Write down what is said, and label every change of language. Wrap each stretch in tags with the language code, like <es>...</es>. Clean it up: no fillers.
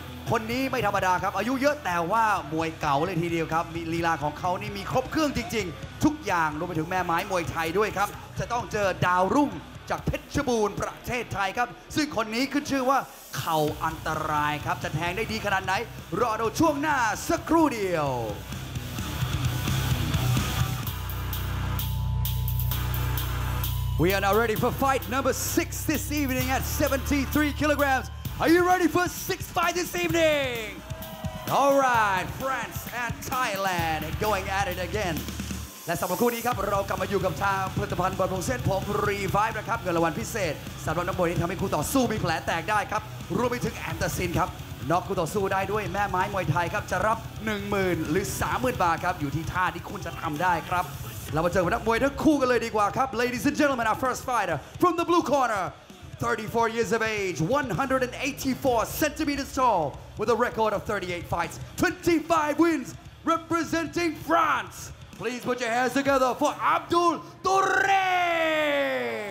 <th>คนนี้ไม่ธรรมดาครับอายุเยอะแต่ว่ามวยเก่าเลยทีเดียวครับมีลีลาของเขานี่มีครบเครื่องจริงๆทุกอย่างรวมไปถึงแม่ไม้มวยไทยด้วยครับจะต้องเจอดาวรุ่งจากเพชรบูรณ์ประเทศไทยครับซึ่งคนนี้ขึ้นชื่อว่าเข่าอันตรายครับจะแทงได้ดีขนาดไหนรอเราช่วงหน้าสักครู่เดียว</th> <en>We are now ready for fight number 6 this evening at 73 kilograms. Are you ready for 6th fight this evening? All right, France and Thailand going at it again.</en> <th>และสำหรับคู่นี้ครับเรากลับมาอยู่กับทางผลิตภัณฑ์บำรุงเส้นผมรีไฟฟ์นะครับเงินรางวัลพิเศษสำหรับนักมวยที่ทำให้คู่ต่อสู้มีแผลแตกได้ครับรวมไปถึงแอนเตอร์ซินครับน็อกคู่ต่อสู้ได้ด้วยแม่ไม้มวยไทยครับจะรับ 10,000 หรือ 30,000 บาทครับอยู่ที่ท่าที่คุณจะทำได้ครับเรามาเจอกับนักมวยทั้งคู่กันเลยดีกว่าครับ</th> <en>Ladies and gentlemen our first fighter from the blue corner 34 years of age 184 centimeters tall with a record of 38 fights 25 wins representing FrancePlease put your hands together for Abdul Touré!</en>